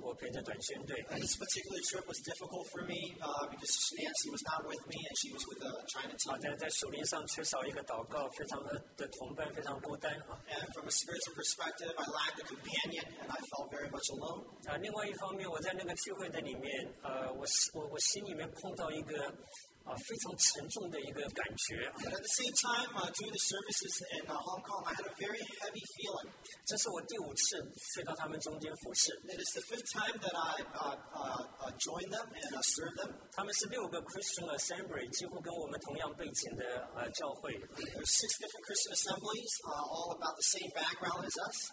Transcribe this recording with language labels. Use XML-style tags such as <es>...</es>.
<en>This particular trip was difficult for me because Nancy was not with me and she was with the China team. And from a spiritual perspective, I lacked a companion and I felt very much alone.</en> <zh>另外一方面，我在那个聚会的里面， 我心里面碰到一个。</zh> <en>But at the same time, doing the services in Hong Kong, I had a very heavy feeling. It is the fifth time that I joined them and served them. There are six different Christian assemblies, all about the same background as us.</en>